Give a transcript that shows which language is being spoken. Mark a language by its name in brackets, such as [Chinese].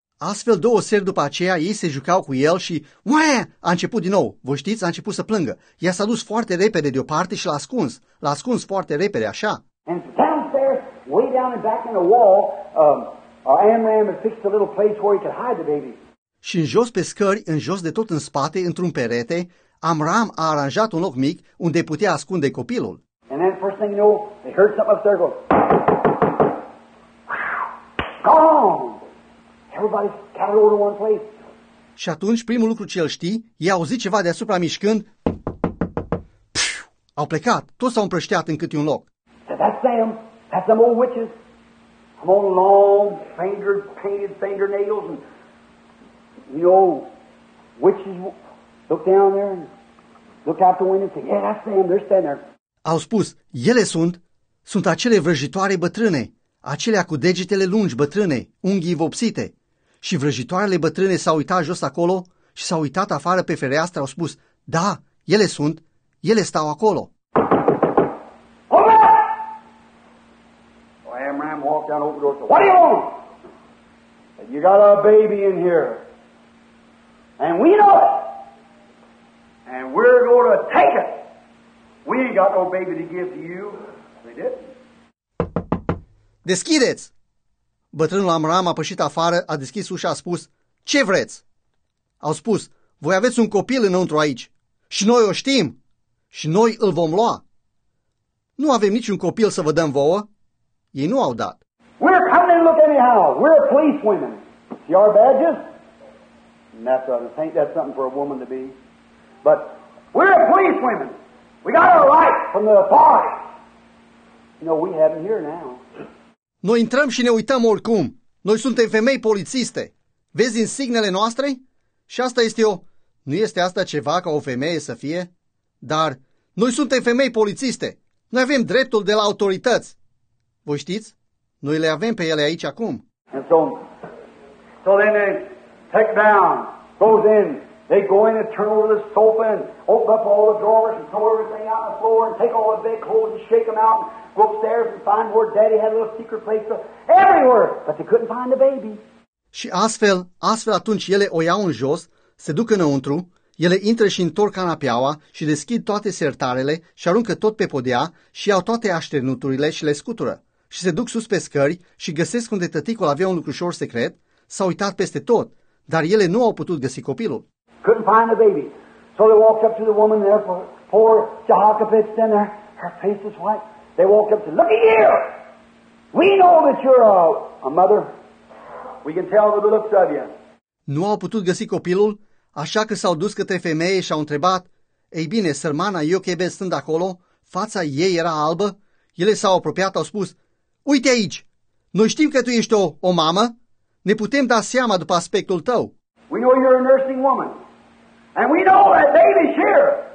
[Romanian] Astfel, două seri după aceea, ei se jucau cu el și Wah! A început din nou, voi știți, a început să plângă. Ea s-a dus foarte repede deoparte și l-a ascuns foarte repede, așa. [English] And downstairs, way down and back in the wall, Amram had fixed a little place where he could hide the baby. [Romanian] Și în jos pe scări, în jos de tot în spate, într-un perete, Amram a aranjat un loc mic unde putea ascunde copilul. [English] And then first thing you know, they heard something upstairs go. Gone! Everybody scattered over to one place. [Romanian] Și atunci, primul lucru ce îl știi, i-a auzit ceva deasupra mișcând. Au plecat, toți s-au împrășteat în câte un loc. [English] So that's them. That's them old witches. Come on, long, fingered, painted fingernails and... The old witches look down there and look out the window and say, yeah, that's them, they're standing there. [Romanian] Au spus, ele sunt acele vrăjitoare bătrâne, acelea cu degetele lungi bătrâne, unghii vopsite. Și vrăjitoarele bătrâne s-au uitat jos acolo și s-au uitat afară pe fereastră, au spus, da, ele sunt, ele stau acolo. [English] Hold on! So Amram walked down over the door and said, what do you want? You got a baby in here. And we know it. And we're going to take it. We ain't got no baby to give to you. They did. [Romanian] Deschideți! Bătrânul Amram a pășit afară, a deschis ușa, a spus, ce vreți? Au spus, voi aveți un copil înăuntru aici. Și noi o știm. Și noi îl vom lua. Nu avem niciun copil să vă dăm vouă. Ei nu au dat. [English] We're coming in look anyhow. We're police women. See our badges? And that's right. Ain't that something for a woman to be? But we're police women. We got our rights from the authority. You know, we have them here now. [Romanian] Noi intrăm și ne uităm oricum. Noi suntem femei polițiste. Vezi insignele noastre? Și asta este o... Nu este asta ceva ca o femeie să fie? Dar noi suntem femei polițiste. Noi avem dreptul de la autorități. Voi știți? Noi le avem pe ele aici acum. [English] And so then they take down, goes in, they go in and turn over the sofa and open up all the drawers and throw everything out on the floor and take all the big clothes and shake them out. Upstairs and find where daddy had a little secret place everywhere, but they couldn't find the baby. [Romanian] Și astfel atunci ele o iau în jos, se duc înăuntru, ele intră și întorc canapeaua și deschid toate sertarele și aruncă tot pe podea și iau toate așternuturile și le scutură. Și se duc sus pe scări și găsesc unde tăticul avea un lucrușor secret, s-a uitat peste tot, dar ele nu au putut găsi copilul. [English] Couldn't find the baby. So they walked up to the woman there, poor Jehoshaphat standing there, her face is white. They walk up to look at you. We know that you're a mother. We can tell by the looks of you. [Romanian] Nu au putut găsi copilul, așa că s-au dus către femeie și au întrebat, ei bine, sărmana Iochebed stând acolo, fața ei era albă, ele s-au apropiat, au spus, uite aici, noi știm că tu ești o mamă, ne putem da seama după aspectul tău. [English] We know you're a nursing woman. And we know that baby's here.